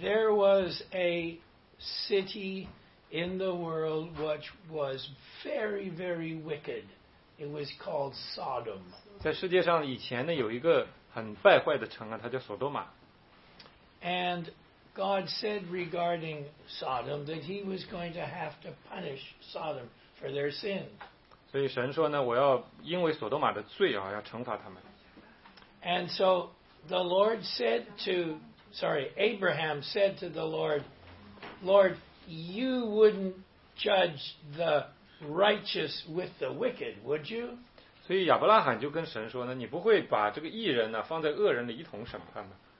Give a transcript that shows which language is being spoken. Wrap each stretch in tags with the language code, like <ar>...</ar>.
<en>There was a city in the world which was very, very wicked. It was called Sodom.</en> <zh>在世界上以前呢，有一个很败坏的城啊，它叫索多玛。</zh> <en>And God said regarding Sodom that he was going to have to punish Sodom for their sin.</en> <zh>所以神说呢，我要因为索多玛的罪啊，要惩罚他们。</zh> <en>And so the Lord said to, sorry, Abraham said to the Lord, Lord, you wouldn't judge the righteous with the wicked, would you?</en> <zh>所以亚伯拉罕就跟神说呢，你不会把这个义人呢放在恶人的一同审判吗？</zh>